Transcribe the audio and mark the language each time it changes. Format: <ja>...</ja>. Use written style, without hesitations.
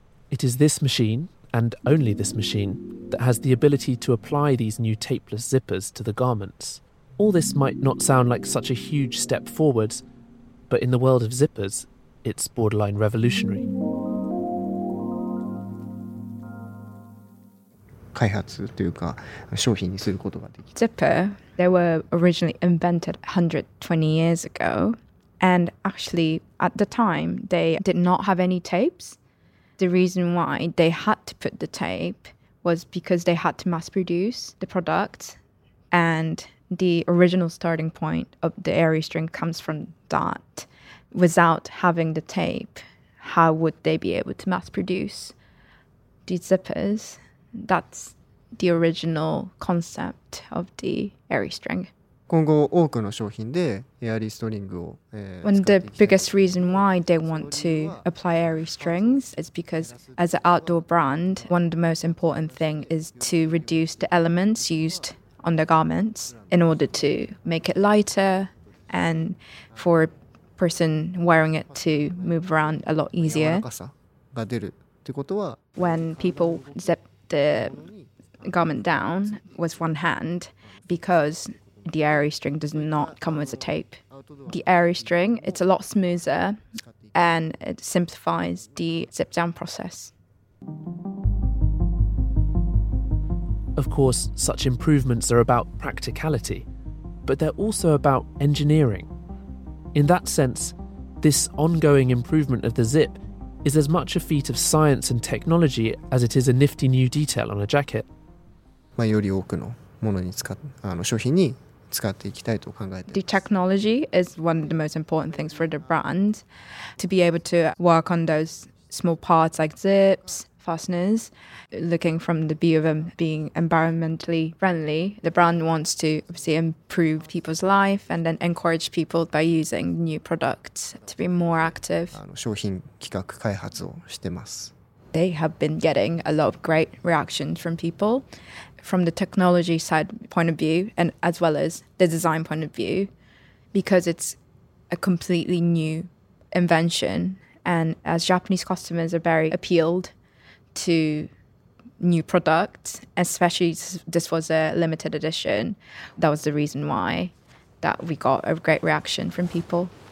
<en>It is this machine, and only this machine, that has the ability to apply these new tapeless zippers to the garments. All this might not sound like such a huge step forwards, but in the world of zippers, it's borderline revolutionary.</en> <ja>開発というか、商品にすることができた。</ja> <en>Zipper, they were originally invented 120 years ago, and actually, at the time, they did not have any tapes. The reason why they had to put the tape was because they had to mass produce the product, and the original starting point of the airy string comes from that. Without having the tape, how would they be able to mass produce these zippers? That's the original concept of the airy string.</en> <ja>今後多くの商品でエアリーストリングを使っていきたい。</ja> <en>One of the biggest reason why they want to apply airy strings is because as an outdoor brand, one of the most important thing is to reduce the elements used on the garments in order to make it lighter and for a person wearing it to move around a lot easier.</en> <ja>柔らかさが出るってことは、</ja> <en>When people zip the garment down with one hand, becausethe airy string does not come with a tape. The airy string, it's a lot smoother and it simplifies the zip down process. Of course, such improvements are about practicality, but they're also about engineering. In that sense, this ongoing improvement of the zip is as much a feat of science and technology as it is a nifty new detail on a jacket.</en> <ja>より多くのものに使う、商品に使っていきたいと考えています。</ja> <en>The technology is one of the most important things for the brand. To be able to work on those small parts like zips, fasteners, looking from the view of them being environmentally friendly, the brand wants to obviously improve people's life and then encourage people by using new products to be more active.</en> <ja>商品企画開発をしてます。</ja> <en>They have been getting a lot of great reactions from people. From the technology side point of view and as well as the design point of view, because it's a completely new invention. And as Japanese customers are very appealed to new products, especially this was a limited edition, that was the reason why that we got a great reaction from people.</en>